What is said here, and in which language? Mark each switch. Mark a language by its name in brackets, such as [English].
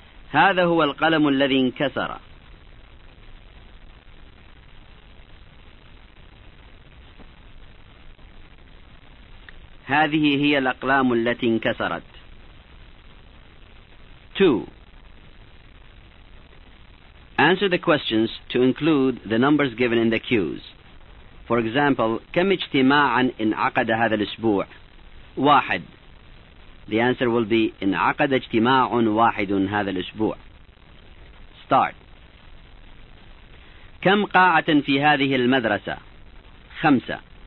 [Arabic] هذا هو القلم الذي انكسر. هذه هي الأقلام التي انكسرت. [English] 2. Answer the questions to include the numbers given in the cues. For example, [Arabic] كم اجتماعا انعقد هذا الأسبوع؟ 1. [English] The answer will be [Arabic] انعقد اجتماع واحد هذا الأسبوع. [English] Start. [Arabic] كم قاعة في هذه المدرسة؟ 5.